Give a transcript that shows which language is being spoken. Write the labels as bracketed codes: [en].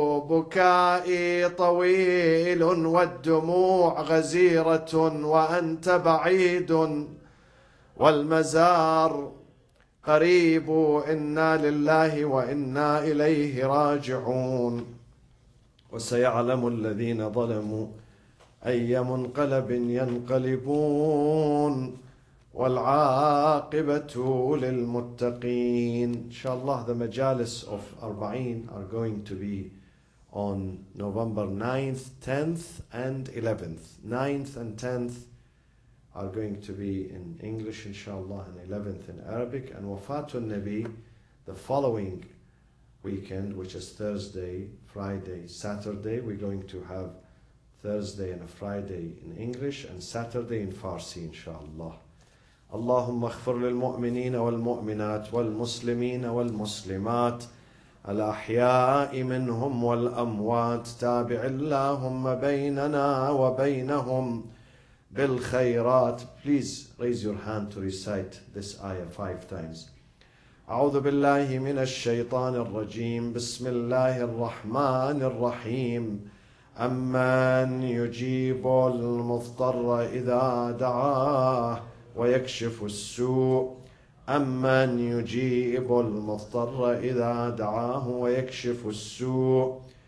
[ar] بكائي طويل والدموع غزيرة وأنت بعيد والمزار قريب إنا لله وإنا إليه راجعون وسيعلم الذين ظلموا أي منقلب ينقلبون والعاقبة للمتقين. [en] Inshallah, the majalis of Arba'een are going to be on November 9th, 10th, and 11th. 9th and 10th are going to be in English, inshallah, and 11th in Arabic. And Wafatul Nabi, the following weekend, which is Thursday, Friday, Saturday, we're going to have Thursday and a Friday in English and Saturday in Farsi, inshallah. [ar] اللهم اغفر للمؤمنين والمؤمنات والمسلمين والمسلمات الأحياء منهم والأموات تابع اللهم بيننا وبينهم بالخيرات. [en] Please raise your hand to recite this ayah 5 times. [ar] أعوذ بالله من الشيطان الرجيم بسم الله الرحمن الرحيم أمن يجيب المضطر إذا دعاه ويكشف السوء أمن يجيب المضطر إذا دعاه ويكشف السوء